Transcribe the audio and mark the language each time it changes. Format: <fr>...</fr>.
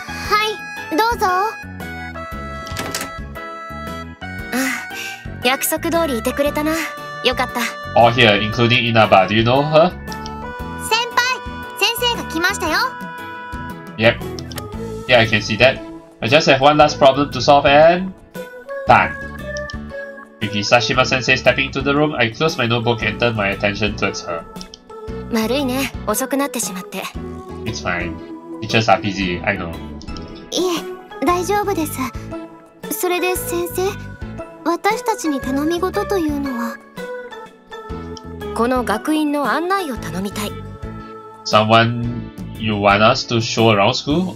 <ja>はい、どうぞ。約束通りいてくれたな。よかった。</ja> <en>All here, including Inaba. Do you know her?</en> <ja>先輩、先生が来ましたよ。</ja> <en>Yep. Yeah, I can see that. I just have one last problem to solve and... Done. With Hisashima sensei stepping into the room, I close my notebook and turn my attention towards her.</en> <ja>悪いね、遅くなってしまって。</ja> <en>It's fine. Teachers are busy, I know.</en> <ja>いえ、大丈夫です。それで先生、私たちに頼み事というのは。この学院の案内を頼みたい。</ja> <en>Someone you want us to show around school?</en>